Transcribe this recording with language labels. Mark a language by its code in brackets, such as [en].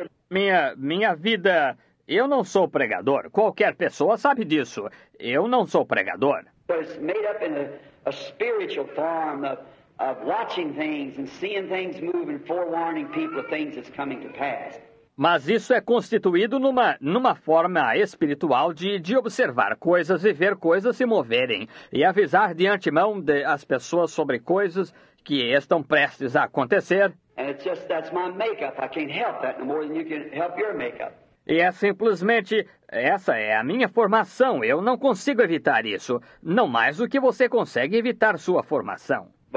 [pt] Minha vida... Eu não sou pregador. Qualquer pessoa sabe disso. Eu não sou pregador. [en] But it's made up in a spiritual form of watching things and seeing things move and forewarning people of things that's coming to pass. [pt] Mas isso é constituído numa forma espiritual de observar coisas e ver coisas se moverem e avisar de antemão as pessoas sobre coisas que estão prestes a acontecer. [en] And it's just that's my makeup. I can't help that no more than you can help your makeup. [pt] E é simplesmente, essa é a minha formação, eu não consigo evitar isso. Não mais do que você consegue evitar sua formação.